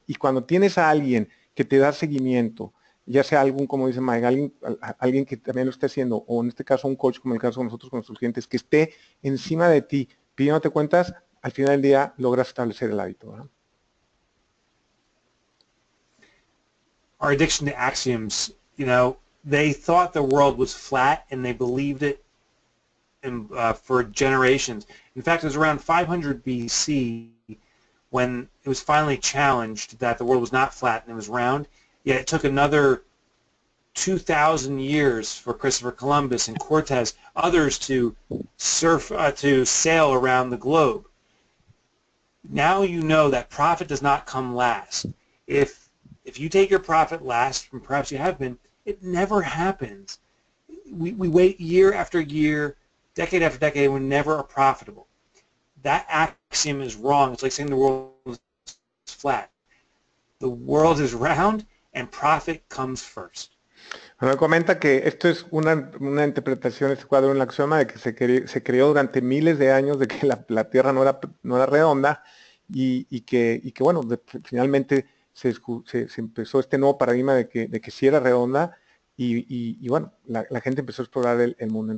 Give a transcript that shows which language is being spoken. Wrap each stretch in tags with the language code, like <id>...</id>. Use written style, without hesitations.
<es>Y cuando tienes a alguien que te da seguimiento, ya sea algún, como dice Mike, alguien que también lo esté haciendo, o en este caso un coach, como el caso de nosotros con nuestros clientes, que esté encima de ti, pidiéndote cuentas, al final del día logras establecer el hábito, ¿no?</es> <en>Our addiction to axioms, you know, they thought the world was flat and they believed it in, for generations. In fact, it was around 500 BC when it was finally challenged that the world was not flat and it was round. Yet it took another 2,000 years for Christopher Columbus and Cortez, others to surf, to sail around the globe. Now you know that profit does not come last. If you take your profit last, and perhaps you have been, it never happens. We wait year after year, decade after decade, we're never are profitable. That axiom is wrong. It's like saying the world is flat. The world is round, and profit comes first.</en> <es>Bueno, comenta que esto es una interpretación, este cuadro, un axioma de que se creó durante miles de años de que la Tierra no era redonda y que bueno, finalmente se empezó este nuevo paradigma de que sí era redonda y bueno, la gente empezó a explorar el mundo.</es>